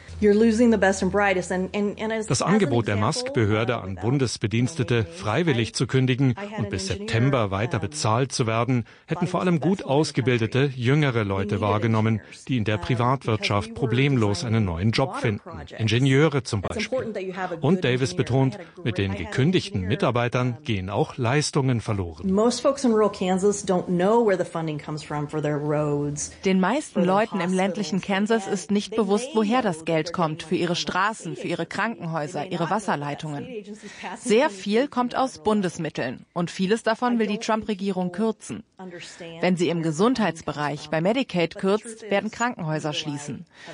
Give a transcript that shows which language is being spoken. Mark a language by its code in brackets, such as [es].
[de] Das Angebot der Musk-Behörde an Bundesbedienstete, freiwillig zu kündigen und bis September weiter bezahlt zu werden, hätten vor allem gut ausgebildete, jüngere Leute wahrgenommen, die in der Privatwirtschaft problemlos einen neuen Job finden. Ingenieure zum Beispiel. Und Davis betont, mit den gekündigten Mitarbeitern gehen auch Leistungen verloren. [en] Most folks in rural Kansas don't know where the funding comes from for their roads. [de] Den meisten Leuten im ländlichen Kansas ist nicht bewusst, woher das Geld kommt für ihre Straßen, für ihre Krankenhäuser, ihre Wasserleitungen. Sehr viel kommt aus Bundesmitteln und vieles davon will die Trump-Regierung kürzen. Wenn sie im Gesundheitsbereich bei Medicaid kürzt, werden Krankenhäuser schließen.